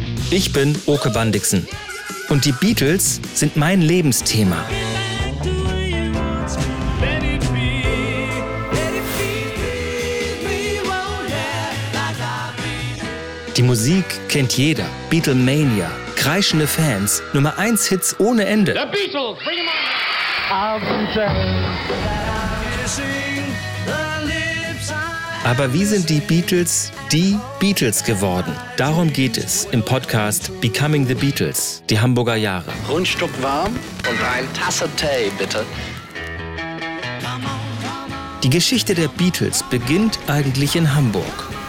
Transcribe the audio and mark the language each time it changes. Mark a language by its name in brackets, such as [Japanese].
[German] Ich bin Oke Van Dixen und die Beatles sind mein Lebensthema. Die Musik kennt jeder. Beatlemania, kreischende Fans, Nummer 1 Hits ohne Ende. [English] The Beatles, bring them on. [German] Aber wie sind die Beatles die Beatles geworden? Darum geht es im Podcast Becoming the Beatles, die Hamburger Jahre. Rundstück warm und eine Tasse Tee, bitte. Die Geschichte der Beatles beginnt eigentlich in Hamburg.